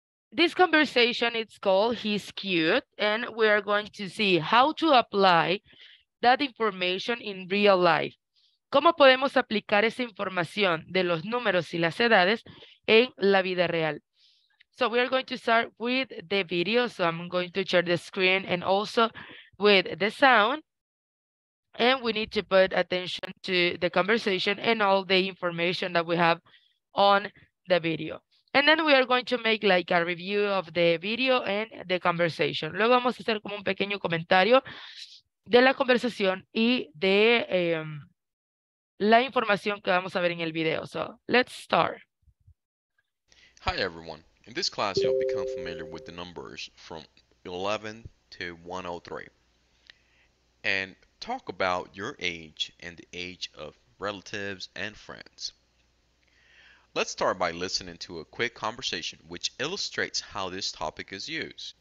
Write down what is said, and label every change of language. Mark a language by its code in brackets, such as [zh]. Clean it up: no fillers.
[en] This conversation is called He's Cute, and we are going to see how to apply that information in real life. [es] ¿Cómo podemos aplicar esa información de los números y las edades en la vida real? [en] So we are going to start with the video. So I'm going to share the screen and also with the sound. And we need to put attention to the conversation and all the information that we have on the video. And then we are going to make like a review of the video and the conversation. [es] Luego vamos a hacer como un pequeño comentario de la conversación y de la información que vamos a ver en el video. [en] So, let's start. Hi everyone. In this class, you'll become familiar with the numbers from 11 to 103. And talk about your age and the age of relatives and friends. Let's start by listening to a quick conversation which illustrates how this topic is used.